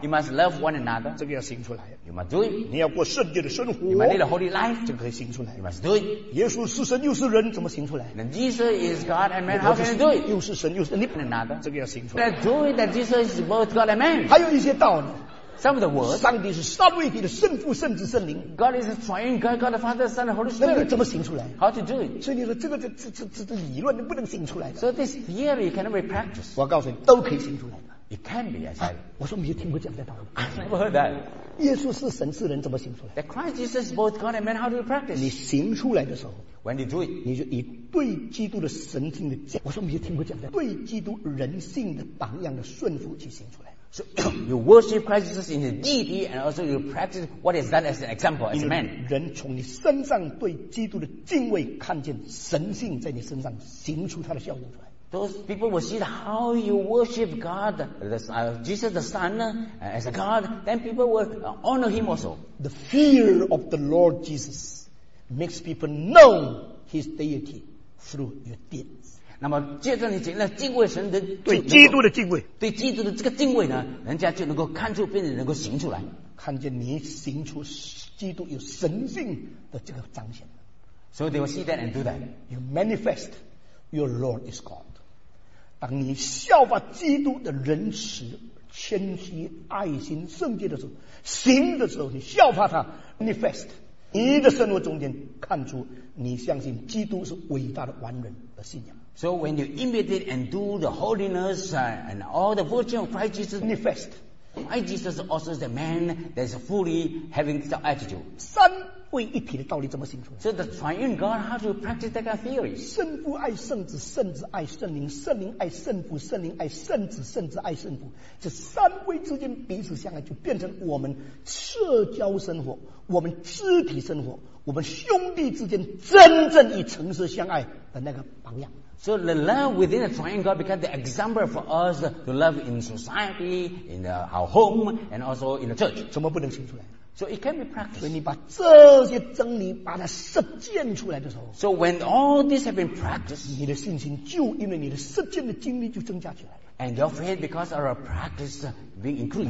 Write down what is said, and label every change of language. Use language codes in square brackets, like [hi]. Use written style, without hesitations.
[en] you must love one another [zh] 这个要行出来 [en] you must do it [zh] 你要过圣洁的生活 [en] you must live a holy life [zh] 这个可以行出来 [en] you must do it [zh] 耶稣是神又是人怎么行出来 [en] then Jesus is God and man how can you do it [zh] 又是神又是人 [en] another [zh] 这个要行出来 [en] then do it that Jesus is both God and man [zh] 还有一些道呢 [en] some of the words [zh] 上帝是三位一体的圣父圣子圣灵 [en] God is a triune God God the Father Son the Holy Spirit [zh] 那你怎么行出来 [en] how to do it [zh] 所以你说这个理论你不能行出来 [en] so this theory cannot be practiced [zh] 我告诉你都可以行出来的 [en] It can be, I said. [zh] 我说没有听过这样的道理。 [en] I've never heard that. [zh] 耶稣是神是人怎么行出来 [en] ？That Christ Jesus is both God and man. How do you practice? [zh] 你行出来的时候 [en] ，When you do it， [zh] 你就以对基督的神性的，我说没有听过这样的，对基督人性的榜样的顺服去行出来。 [en] So you worship Christ Jesus in his deity, and also you practice what is done as an example as a man. 人从你身上对基督的敬畏，看见神性在你身上行出他的效应出来。 Those people will see how you worship God, Jesus the Son, as a God. Then people will honor Him also. The fear of the Lord Jesus makes people know His deity through your deeds. [zh] 那么借着你敬那敬畏神的对基督的敬畏，对基督的这个敬畏呢，人家就能够看出，并且能够行出来，看见你行出基督有神性的这个彰显。 [en] So they will see that and do that. You manifest your Lord is God. [zh] 当你效法基督的仁慈、谦虚、爱心、圣洁的时候，行的时候，你效法他 ，manifest 你的生活中间看出你相信基督是伟大的完人的信仰。 [en] So when you imitate and do the holiness and all the virtue of Christ Jesus, manifest. Christ Jesus also is the man that is fully having this attitude. [zh] 三位一体的道理怎么行出来 [en] ？So the triune God, how do you practice that kind of theory? [zh] 圣父爱圣子，圣子爱圣灵，圣灵爱圣父，圣灵爱圣子，圣子爱圣父。这三位之间彼此相爱，就变成我们社交生活、我们肢体生活、我们兄弟之间真正以诚实相爱的那个榜样。 [en] So the love within the triune God becomes the example for us to love in society, in our home, and also in the church. [zh] 怎么不能行出来？ [en] So it can be practiced. [zh] 所以你把这些真理把它实践出来的时候 [en] ，So when all this have been practiced, [zh] 你的信心就因为你的实践的经历就增加起来。 [en] And your faith because of our practice being increased,